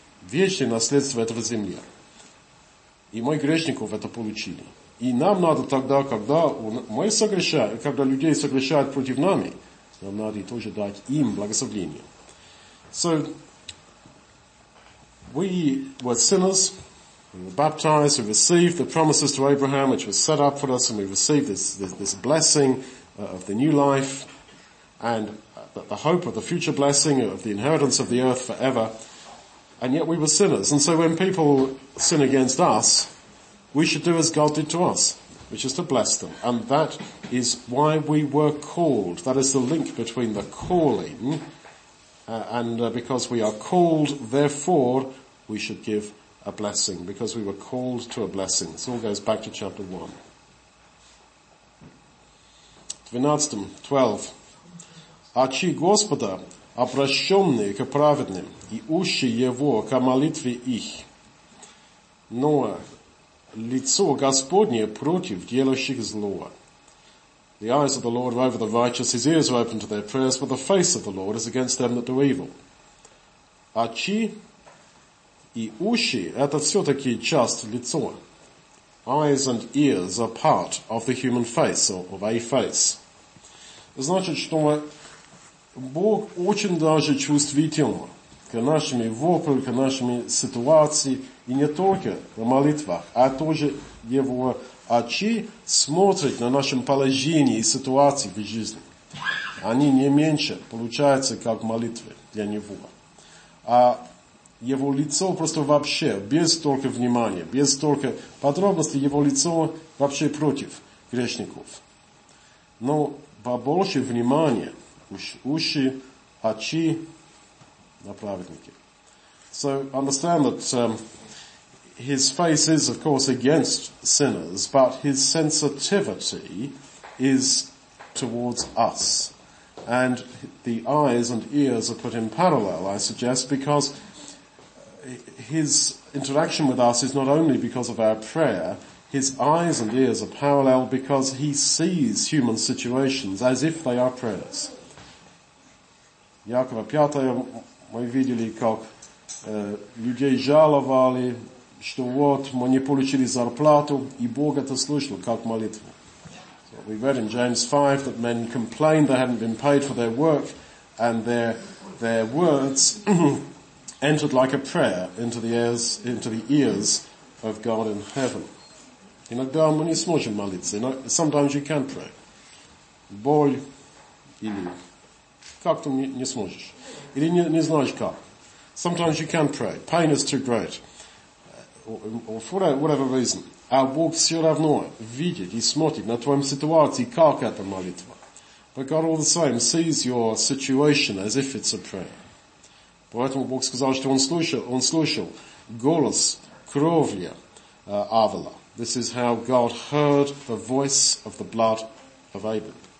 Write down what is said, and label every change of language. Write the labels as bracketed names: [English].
[Russian] Вечное наследство этого земли. И мы грешников это получили. И нам надо тогда, когда мы согрешаем, когда людей согрешают против нами, нам надо тоже дать им благословение. [English] So, we were sinners. We were baptized, we received the promises to Abraham, which was set up for us, and we received this blessing of the new life, and the hope of the future blessing of the inheritance of the earth forever. And yet we were sinners. And so when people sin against us, we should do as God did to us, which is to bless them. And that is why we were called. That is the link between the calling, because we are called, therefore we should give a blessing, because we were called to a blessing. This all goes back to chapter 1. 12. [Russian] Очи Господа, обращенные к праведным, и уши Его к молитве их. Но лицо Господне против делающих зло. [English] The eyes of the Lord are over the righteous, his ears are open to their prayers, but the face of the Lord is against them that do evil. [Russian] Очи и уши – это все-таки часть лицо. [English] Eyes and ears are part of the human face, or of a face. [Russian] Значит, что Бог очень даже чувствителен к нашим воплям, к нашим ситуациям, и не только на молитвах, а тоже Его очи смотрят на нашем положении и ситуации в жизни. Они не меньше получаются, как молитвы для Него. Его лицо просто вообще, без столько внимания, без столько подробностей, его лицо вообще против грешников. Но побольше внимания, уши, очи на праведники. [English] So, understand that his face is, of course, against sinners, but his sensitivity is towards us. And the eyes and ears are put in parallel, I suggest, because his interaction with us is not only because of our prayer, his eyes and ears are parallel because he sees human situations as if they are prayers. [Russian] Якова Пятая мы видели, как людей жаловали, что вот мы не получили зарплату, и Бог это слышал, как молитву. [English] So we read in James 5 that men complained they hadn't been paid for their work, and their words entered like a prayer into the ears of God in heaven. [Russian] Иногда мы не сможем молиться. [English] Sometimes you can pray. [Russian] Боль или как-то не сможешь. Или не знаешь как. [English] Sometimes you can pray. Pain is too great. Or for whatever reason. [Russian] А Бог все равно видит и смотрит на твоем ситуации, как это молитва. [English] But God all the same sees your situation as if it's a prayer. [Russian] Поэтому Бог сказал, что он слышал голос кровля Авела. [English] This is how God heard the voice of the blood of Abel.